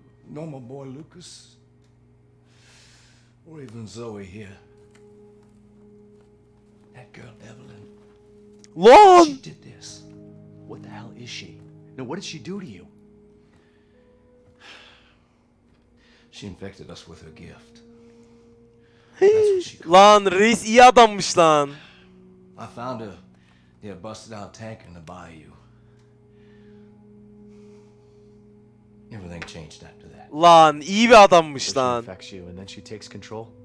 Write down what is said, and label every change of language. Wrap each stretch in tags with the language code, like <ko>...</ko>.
<en>Nor my boy Lucas. Or even Zoe here. That girl Evelyn. Lon! She did this. What the hell is she? Now what did she do to you? She infected us with her gift.</en> <tr>Lan Reis iyi adammış lan.</tr> <en>I found her near a busted out tank in the bayou. Everything changed after that.</en> <tr>Lan iyi bir adammış lan.</tr> <en>She infects you and then she takes control?</en>